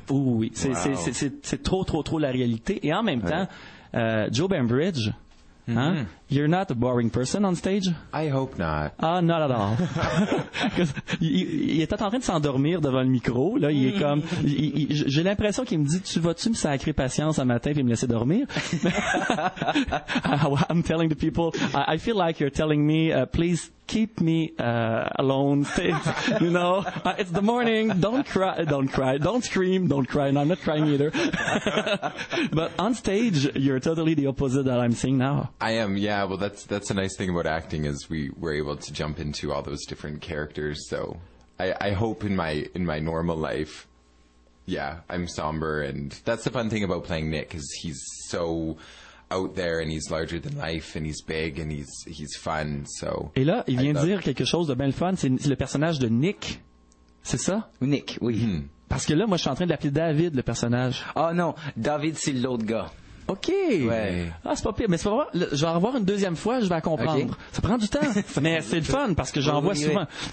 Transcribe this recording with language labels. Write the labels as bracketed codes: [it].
[fr] Oui. C'est trop la réalité. Et en même temps, Joe Bembridge, hein? [en] You're not a boring person on stage? I hope not. Ah, not at all. [fr] Il était en train de s'endormir devant le micro, là, il est comme... j'ai l'impression qu'il me dit, tu vas-tu me sacrer patience un matin puis me laisser dormir? [en] I'm telling the people, I feel like you're telling me, please keep me alone, you know? It's the morning, don't cry, don't scream, don't cry, and I'm not crying either. But on stage, you're totally the opposite that I'm seeing now. I am, yeah. Yeah, well, that's a nice thing about acting is we were able to jump into all those different characters. So I hope in my normal life, yeah, I'm somber. And that's the fun thing about playing Nick is he's so out there and he's larger than life and he's big and he's fun. So [fr] et là, il vient de dire quelque chose de bien le fun. C'est le personnage de Nick, c'est ça? Nick, oui. Parce que là, moi, je suis en train de l'appeler David, le personnage. Oh non, David, c'est l'autre gars. OK. Ouais. Ah, c'est pas pire. Mais c'est pas vrai. Je vais en revoir une deuxième fois, je vais la comprendre. Okay. Ça prend du temps. Mais c'est le fun parce que j'en vois souvent.